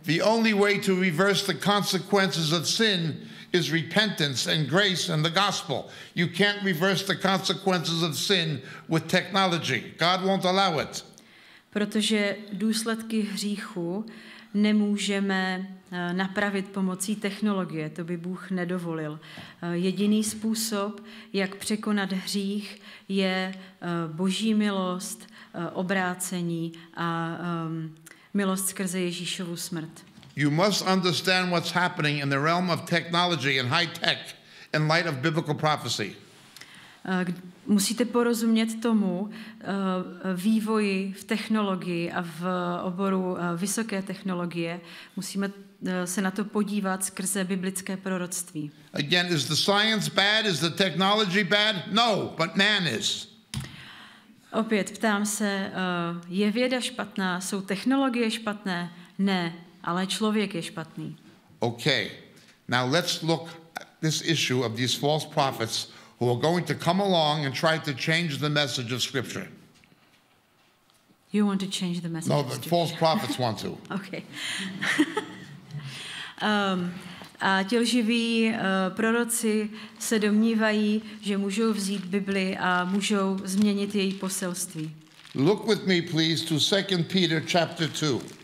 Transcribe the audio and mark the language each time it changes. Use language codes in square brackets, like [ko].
[en] The only way to reverse the consequences of sin is repentance and grace and the gospel. You can't reverse the consequences of sin with technology. God won't allow it. [cs] Protože důsledky hříchu nemůžeme napravit pomocí technologie, to by Bůh nedovolil. Jediný způsob, jak překonat hřích, je Boží milost, obrácení a milost skrze Ježíšovu smrt. [en] You must understand what's happening in the realm of technology and high tech in light of biblical prophecy. [cs] Musíte porozumět tomu vývoji v technologii a v oboru vysoké technologie. Musíme se na to podívat skrze biblické proroctví. [en] Again, is the science bad? Is the technology bad? No, but man is. [cs] Opět ptám se, je věda špatná? Jsou technologie špatné? Ne, ale člověk je špatný. [en] Okay, now let's look at this issue of these false prophets who are going to come along and try to change the message of Scripture. You want to change the message of Scripture? No, the false prophets want to. Okay. [cs] A ti lživí proroci se domnívají, že můžou vzít Bibli a můžou změnit její poselství. [en] Look with me, please, to 2 Peter chapter 2.